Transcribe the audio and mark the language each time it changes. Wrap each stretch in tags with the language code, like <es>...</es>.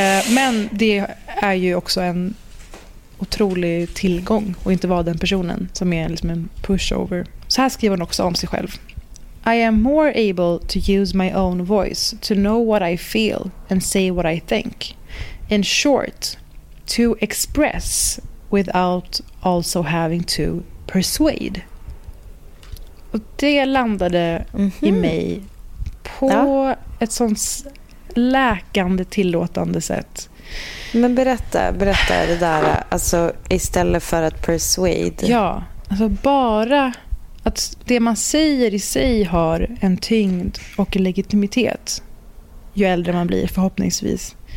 <sv>Men det är ju också en otrolig tillgång och inte vara den personen som är liksom en pushover. Så här skriver hon också om sig själv.</sv> <en>I am more able to use my own voice to know what I feel and say what I think. In short, to express without also having to persuade.</en> <sv>Och det landade i mig på ett sånt läkande tillåtande sätt. Men berätta det där, alltså istället för att persuade. Ja, alltså bara att det man säger i sig har en tyngd och en legitimitet ju äldre man blir förhoppningsvis.</sv>